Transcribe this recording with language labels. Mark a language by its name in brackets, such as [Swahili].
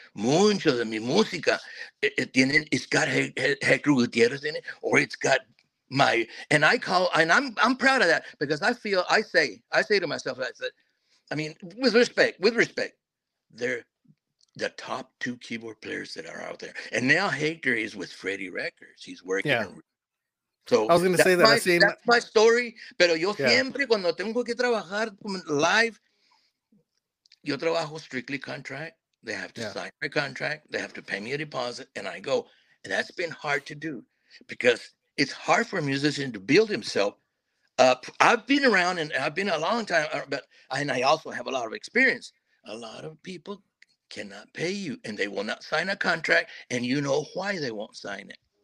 [Spanish] Mucho de mi música [English] it's got Hector Gutierrez in it, or it's got my, and I call, and I'm proud of that, because I feel, I say to myself, I mean, with respect, they're the top two keyboard players that are out there. And now Hector is with Freddie Records. He's working So I was going to say that. That's my story. [Spanish] Pero yo siempre, cuando tengo que trabajar live, yo trabajo [English] strictly contract. They have to sign my contract. They have to pay me a deposit, and I go. And that's been hard to do, because it's hard for a musician to build himself up. I've been around, and I've been a long time, but I also have a lot of experience. A lot of people cannot pay you, and they will not sign a contract, and you know why they won't sign it.